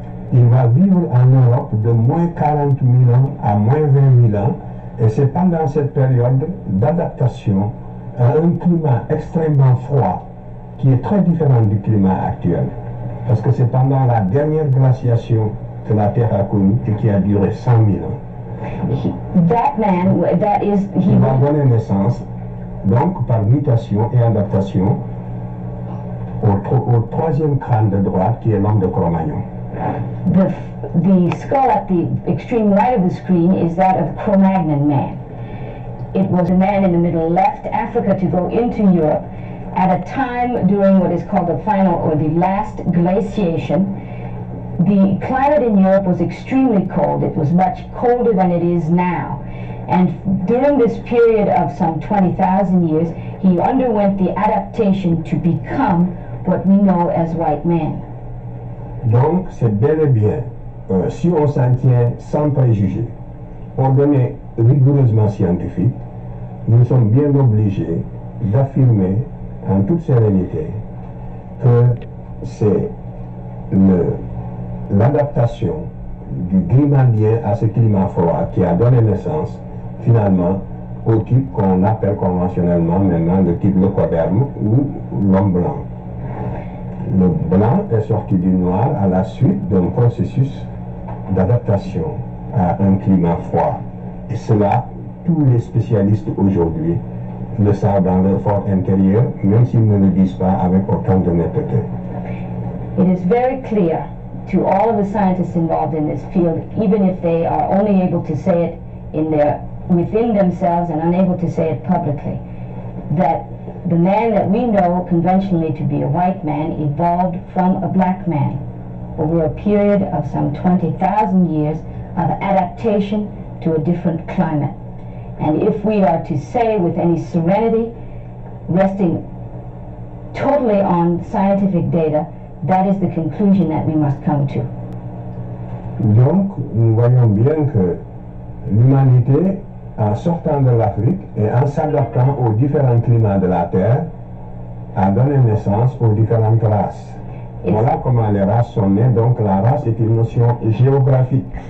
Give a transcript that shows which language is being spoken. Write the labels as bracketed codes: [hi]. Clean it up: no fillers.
[fr] Il va vivre en Europe de moins 40,000 ans à moins 20,000 ans, et c'est pendant cette période d'adaptation à un climat extrêmement froid qui est très différent du climat actuel, parce que c'est pendant la dernière glaciation que la Terre a connue et qui a duré 100,000 ans. Il va donner naissance, donc par mutation et adaptation, au troisième crâne de droite qui est l'homme de Cro-Magnon. [en] The skull at the extreme right of the screen is that of Cro-Magnon man. It was a man in the middle left Africa to go into Europe at a time during what is called the final or the last glaciation. The climate in Europe was extremely cold. It was much colder than it is now. And during this period of some 20,000 years, he underwent the adaptation to become what we know as white man. [fr] Donc, c'est bel et bien, si on s'en tient sans préjugés, ordonnées rigoureusement scientifiques, nous sommes bien obligés d'affirmer en toute sérénité que c'est l'adaptation du Grimaldien à ce climat froid qui a donné naissance finalement au type qu'on appelle conventionnellement maintenant le type leucoderme ou l'homme blanc. Le blanc est sorti du noir à la suite d'un processus d'adaptation à un climat froid. Et cela, tous les spécialistes aujourd'hui le savent dans leur fort intérieur, même s'ils ne le disent pas avec autant de netteté. [en] It is very clear to all of the scientists involved in this field, even if they are only able to say it within themselves and unable to say it publicly, that the man that we know conventionally to be a white man evolved from a black man over a period of some 20,000 years of adaptation to a different climate. And if we are to say with any serenity, resting totally on scientific data, that is the conclusion that we must come to. [fr] Donc, nous voyons bien que l'humanité, en sortant de l'Afrique et en s'adaptant aux différents climats de la Terre, a donné naissance aux différentes races. Voilà comment les races sont nées. Donc, la race est une notion géographique.